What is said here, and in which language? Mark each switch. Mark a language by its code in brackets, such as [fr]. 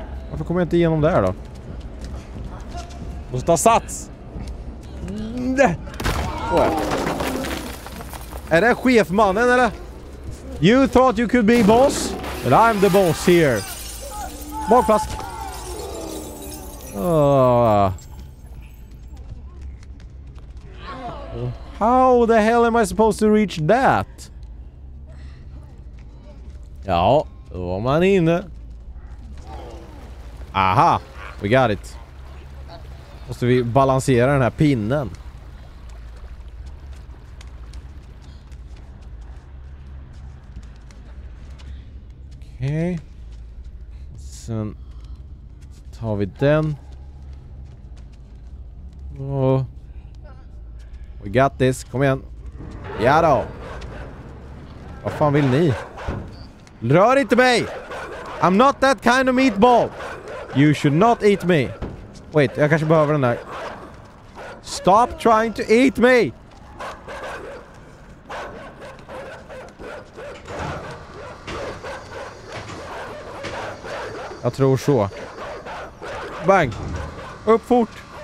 [sv] Varför kommer jag inte igenom där då? Måste ta sats. Är det chefmannen eller? [en] You thought you could be boss, but I'm the boss here. [sv] Magplask. [en] How the hell am I supposed to reach that? [sv] Ja, då var man inne. [en] Aha, we got it. [sv] Måste vi balansera den här pinnen. Okej. Sen tar vi den. Oh. [en] We got this. [sv] Kom igen. Ja då. Vad fan vill ni? Rör inte mig. [en] I'm not that kind of meatball. You should not eat me. Wait, [sv] jag kanske behöver den här. [en] Stop trying to eat me. [sv] Jag tror så. Bang. Upp fort.